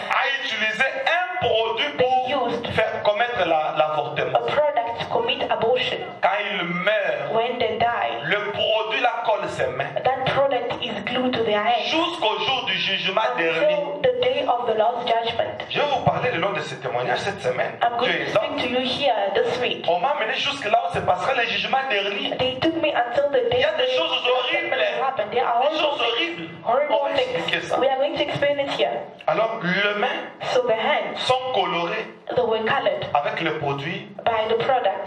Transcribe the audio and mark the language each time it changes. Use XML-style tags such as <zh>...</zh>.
<fr>A utilisé un produit pour faire commettre l'avortement.</fr> <en>A product to commit abortion.</en> <fr>Quand il meurt.</fr> <en>When they die.</en> <fr>Le produit la colle ses mains.</fr> <en>That product is glued to their hands.</en> <fr>Jusqu'au jour du jugement dernier.</fr> <en>Until the day of the last judgment.</en> <fr>Je vais vous parler le long de ce témoignage cette semaine.</fr> <en>I'm going to speak to you here this week.</en> <fr>On m'a amené jusque là où se passera le jugement dernier.</fr> <en>They took me until the day.</en> <fr>Il y a des choses horribles.</fr> <en>There are</en> <fr>des choses horribles.</fr> <en>Horrible</en> <fr>on</fr> <en>things.</en> <fr>Ça.</fr> <en>We are going to explain it here.</en> <fr>Alors le main.</fr> <en>So the hands.</en> <fr>Sont colorées.</fr> <en>They were colored.</en> <fr>Avec le produit.</fr> <en>By the product.</en>